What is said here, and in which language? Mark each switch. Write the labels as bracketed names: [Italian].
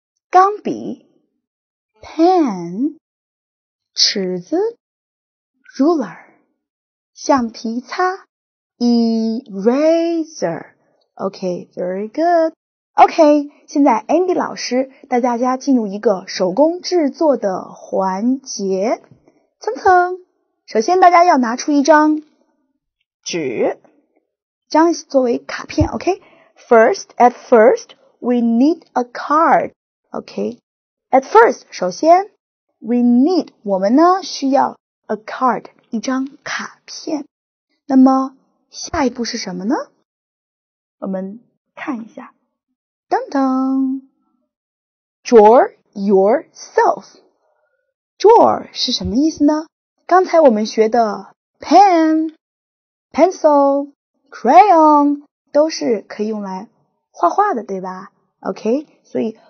[Chinese] 钢笔 ，pen， 尺子 ，ruler， 橡皮擦 ，eraser，OK，、okay, [English] very good， [Chinese] OK，、okay, 现在 Andy 老师带大家进入一个手工制作的环节，蹭蹭，首先大家要拿出一张纸，将作为卡片 ，OK， [English] first we need a card。 OK，at first， [Chinese] 首先 [English] ，we need， [Chinese] 我们呢需要 [English] a card， [Chinese] 一张卡片。那么下一步是什么呢？我们看一下，噔噔 ， [English] draw yourself。 [Chinese] draw 是什么意思呢？刚才我们学的 pen、pencil、crayon 都是可以用来画画的，对吧 ？OK， 所以。